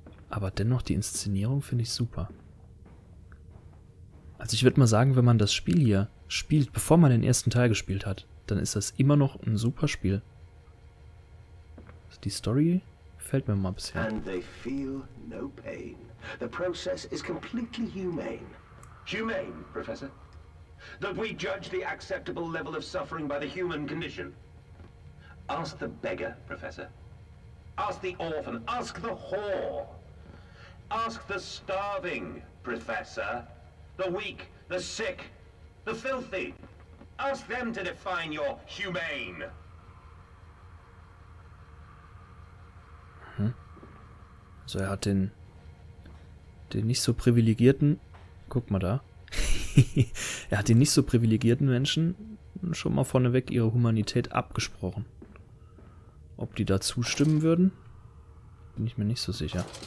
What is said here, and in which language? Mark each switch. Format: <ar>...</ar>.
<de>Aber dennoch, die Inszenierung finde ich super. Also ich würde mal sagen, wenn man das Spiel hier spielt, bevor man den ersten Teil gespielt hat, dann ist das immer noch ein super Spiel. Also die Story fällt mir mal bisher.</de> <en>And they feel no pain. The process is completely humane. Humane, Professor? That we judge the acceptable level of suffering by the human condition. Ask the beggar, Professor. Ask the orphan. Ask the whore. Ask the starving, Professor. The weak, the sick, the filthy. Ask them to define your humane.</en> <de>Also er hat den nicht so privilegierten, guck mal da, er hat den nicht so privilegierten Menschen schon mal vorneweg ihre Humanität abgesprochen. Ob die da zustimmen würden, bin ich mir nicht so sicher.</de>